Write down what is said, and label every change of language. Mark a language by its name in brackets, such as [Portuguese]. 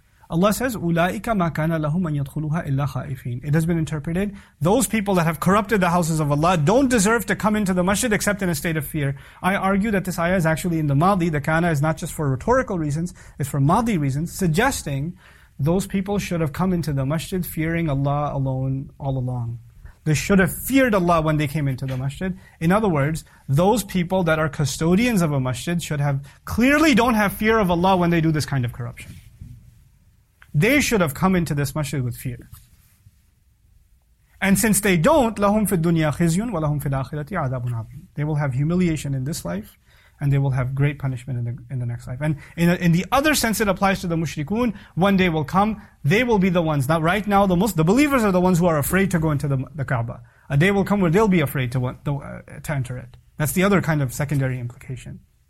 [English] Allah says, [Arabic] أُولَٰئِكَ مَا كَانَ لَهُمْ أَنْ يَدْخُلُهَا إِلَّا خَائِفِينَ. [English] It has been interpreted, those people that have corrupted the houses of Allah don't deserve to come into the masjid except in a state of fear. I argue that this ayah is actually in the madi. The kana is not just for rhetorical reasons, it's for madi reasons, suggesting those people should have come into the masjid fearing Allah alone all along. They should have feared Allah when they came into the masjid. In other words, those people that are custodians of a masjid should have, clearly don't have fear of Allah when they do this kind of corruption. They should have come into this masjid with fear. And since they don't, [Arabic] لَهُمْ فِي الدُّنْيَا خِزْيٌ وَلَهُمْ فِي الْآخِرَةِ عَذَابٌ عَظِيمٌ. [English] They will have humiliation in this life, and they will have great punishment in the next life. And in the other sense it applies to the mushrikun, one day will come, they will be the ones. Now right now, the believers are the ones who are afraid to go into the Kaaba. A day will come where they'll be afraid to enter it. That's the other kind of secondary implication.